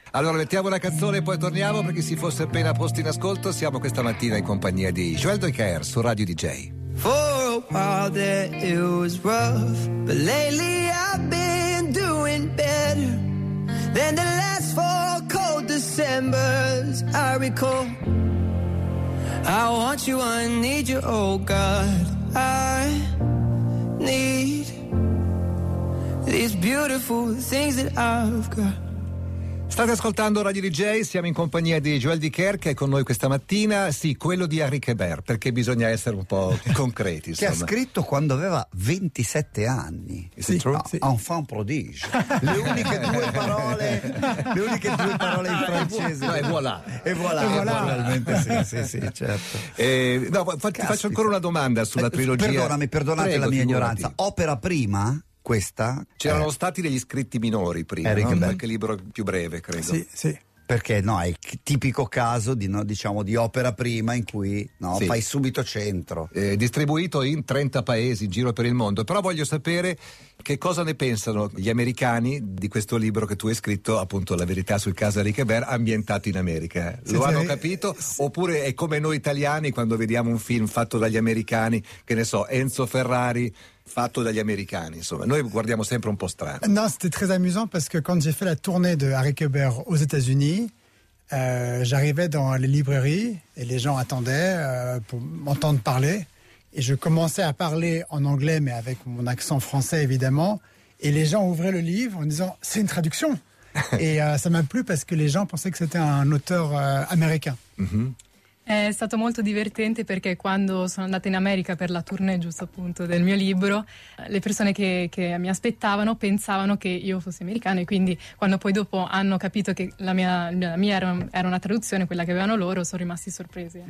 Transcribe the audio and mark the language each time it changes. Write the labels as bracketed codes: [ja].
[it] Allora mettiamo una canzone e poi torniamo perché si fosse appena posto in ascolto. Siamo questa mattina in compagnia di Joël Doiker su Radio DJ. [en] For a while that it was rough, but lately I've been doing better than the last four cold Decembers I recall. I want you, I need you, oh God, I need these beautiful things that I've got. [it] State ascoltando Radio DJ, siamo in compagnia di Joël Doiker che è con noi questa mattina. Sì, quello di Henri Québer, perché bisogna essere un po' concreti. Insomma. Che ha scritto quando aveva 27 anni. Sì, true? No, sì. Enfant prodige. Le uniche due parole in francese. No, e voilà. Realmente sì, certo. Ti faccio ancora una domanda sulla trilogia. Perdonate la mia ignoranza. Opera prima... Questa c'erano stati degli scritti minori prima, Eric, no? Qualche libro più breve, credo. Sì, sì. Perché no, è il tipico caso di, no, diciamo, di opera prima in cui no, sì. Fai subito centro. Distribuito in 30 paesi in giro per il mondo. Però voglio sapere che cosa ne pensano gli americani di questo libro che tu hai scritto, appunto La verità sul caso Henri Québer, ambientato in America. Lo sì, hanno capito? Sì. Oppure è come noi italiani quando vediamo un film fatto dagli americani, che ne so, Enzo Ferrari... fatto dagli americani, insomma. Noi guardiamo sempre un po' strano. [fr] Non, c'était très amusant parce que quand j'ai fait la tournée de Henri Québer aux États-Unis, j'arrivais dans les librairies et les gens attendaient pour m'entendre parler. Et je commençais à parler en anglais, mais avec mon accent français, évidemment. Et les gens ouvraient le livre en disant « c'est une traduction ». Et ça m'a plu parce que les gens pensaient que c'était un auteur américain. Mm-hmm. [it] È stato molto divertente perché quando sono andata in America per la tournée, giusto appunto, del mio libro, le persone che mi aspettavano pensavano che io fossi americana e quindi quando poi dopo hanno capito che la mia era una traduzione, quella che avevano loro, sono rimasti sorpresi.